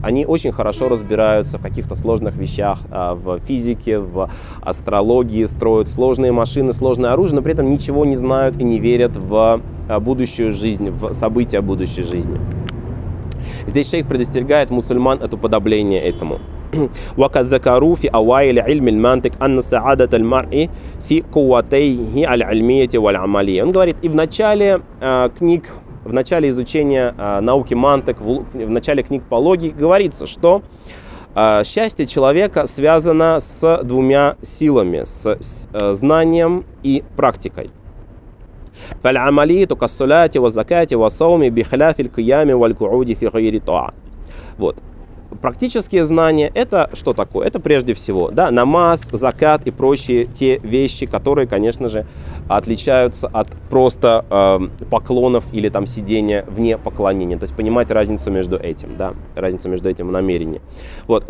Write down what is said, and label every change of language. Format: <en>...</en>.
<ru>Они очень хорошо разбираются в каких-то сложных вещах, в физике, в астрологии, строят сложные машины, сложное оружие, но при этом ничего не знают и не верят в будущую жизнь, в события будущей жизни. Здесь шейх предостерегает мусульман от уподобления этому.</ru> <ar>وقد ذكروا في أوائل علم المنطق أن سعادة المرء في قوته العلمية والعملية.</ar> <ru>Он говорит, и в начале книг, в начале изучения науки мантык, в начале книг по логике говорится, что счастье человека связано с двумя силами, с знанием и практикой.</ru> <ar>فالعملية كالصلاة والزكاة والصوم بخلاف القيام والقعود في غير طاعة.</ar> <ru>Вот. Практические знания – это что такое? Это прежде всего, да, намаз, закат и прочие те вещи, которые, конечно же, отличаются от просто поклонов или там сидения вне поклонения. То есть понимать разницу между этим, да, разницу между этим намерением. Вот.</ru>